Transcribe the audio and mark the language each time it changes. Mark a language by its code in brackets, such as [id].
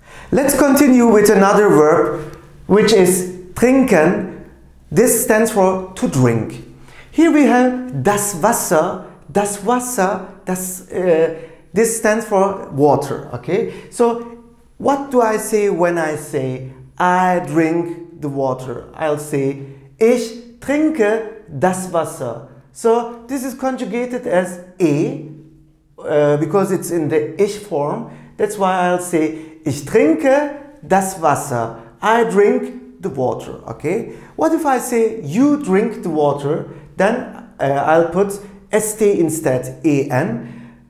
[en] Let's continue with another verb, which is trinken. This stands for to drink. Here we have das Wasser. Das Wasser, this stands for water, okay? So what do I say when I say I drink the water? I'll say [de] ich trinke das Wasser. [en] So this is conjugated as because it's in the ich form. That's why I'll say [de] ich trinke das Wasser. [en] I drink the water, okay? What if I say you drink the water, then I'll put st instead, en.